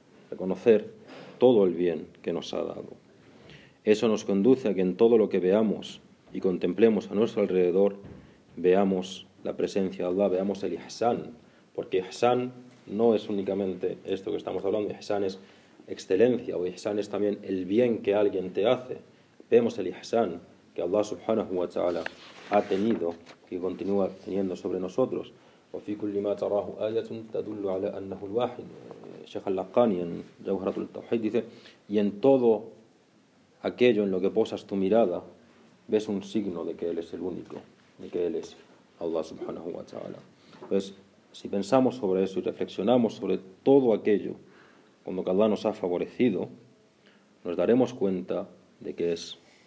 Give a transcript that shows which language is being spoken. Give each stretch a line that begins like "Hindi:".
Spanish: Reconocer todo el bien que nos ha dado. Eso nos conduce a que en todo lo que veamos y contemplemos a nuestro alrededor, veamos la presencia de Allah, veamos el ihsan. Porque ihsan no es únicamente esto que estamos hablando, ihsan es excelencia, o ihsan es también el bien que alguien te hace. Vemos el ihsan que Allah subhanahu wa ta'ala ha tenido y continúa teniendo sobre nosotros.
Arabic: وفي كل ما تراه آية تدل على أنه الواحد.
Spanish: Sheikh al-Laqani en Jawharatul Tawhid dice: y en todo aquello en lo que posas tu mirada, ves un signo de que Él es el único, de que Él es Allah subhanahu wa ta'ala. Pues si pensamos sobre eso y reflexionamos sobre todo aquello con lo que Allah nos ha favorecido, nos daremos cuenta de que es